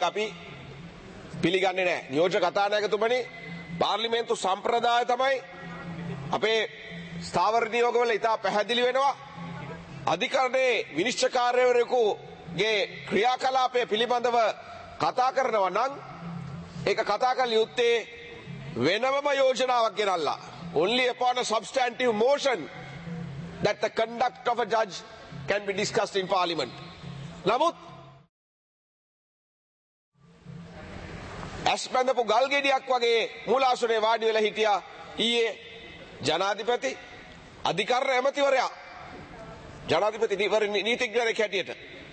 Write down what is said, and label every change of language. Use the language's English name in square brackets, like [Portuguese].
[Sinhala] මේක අපි පිළිගන්නේ නැහැ. නියෝජ්‍ය කතානායකතුමනි, පාර්ලිමේන්තු සම්ප්‍රදාය තමයි අපේ ස්ථාවර නියෝගවල ඉතා පැහැදිලි වෙනවා. අධිකරණයේ විනිශ්චකාරයවරයෙකුගේ ක්‍රියාකලාපය පිළිබඳව කතා කරනවා නම් ඒක කතා කළ යුත්තේ වෙනමම යෝජනාවක් ගෙනල්ලා. [English] Only upon a substantive motion that the conduct of a judge can be discussed in parliament. [Sinhala] නමුත් ඇස්බැඳපු ගල් ගෙඩියක් වගේ මූලාසනයේ වාඩි වෙලා හිටියා ඊයේ ජනාධිපති අධිකරණ ඇමතිවරයා ජනාධිපති නීතිඥයෙක් හැටියට.